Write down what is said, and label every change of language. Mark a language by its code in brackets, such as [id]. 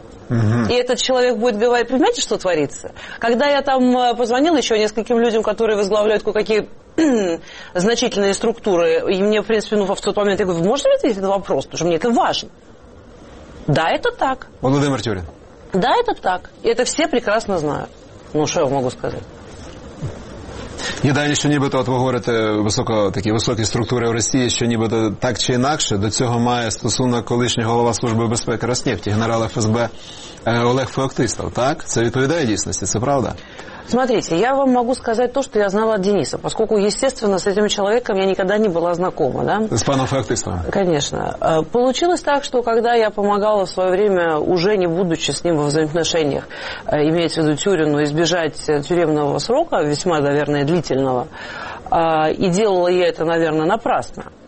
[ru] И этот человек будет говорить, понимаете, что творится? Когда я там позвонил еще нескольким людям, которые возглавляют кое-какие значительные структуры, и мне, в принципе, ну, в тот момент, я говорю, вы можете ответить на вопрос, потому что мне это важно. Да, это так. Владимир Тюрин. Да, это так. И это все прекрасно знают. Ну, что я могу сказать? [uk] І далі, що нібито, от ви говорите, високо, такі високі структури в Росії, що нібито так чи інакше, до цього має стосунок колишній голова Служби безпеки Роснефті, генерал ФСБ Олег Феоктистов, так? Це відповідає дійсності, це правда? [ru] Смотрите, я вам могу сказать то, что я знала от Дениса, поскольку, естественно, с этим человеком я никогда не была знакома. Да? С паном Феоктистовым? Конечно. Получилось так, что когда я помогала в свое время, уже не будучи с ним во взаимоотношениях, имеется в виду Тюрину, избежать тюремного срока, весьма, наверное, длительного, и делала я это, наверное, напрасно.